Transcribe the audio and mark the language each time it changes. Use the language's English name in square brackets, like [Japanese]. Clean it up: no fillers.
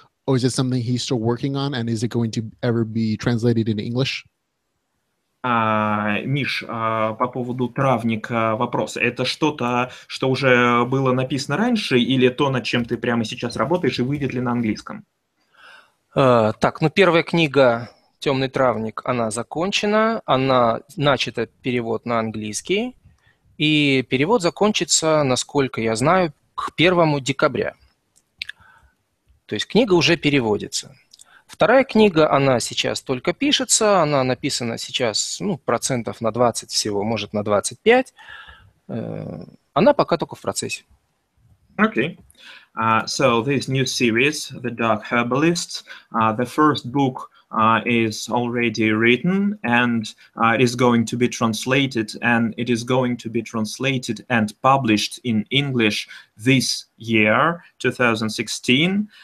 [English] Or is it something he's still working on? And is it going to ever be translated into English? [Russian] Миш, по поводу травника вопрос. Это что-то, что уже было написано раньше, или то, над чем ты прямо сейчас работаешь, и выйдет ли на английском? Первая книга «Темный травник», она закончена, она начата перевод на английский, и перевод закончится, насколько я знаю, к 1 декабря. То есть книга уже переводится. Вторая книга, она сейчас только пишется, она написана сейчас процентов на 20 всего, может, на 25. Она пока только в процессе. [English] Okay. So this new series, The Dark Herbalist, the first book is already written and is going to be translated, and it is going to be translated and published in English this year, 2016.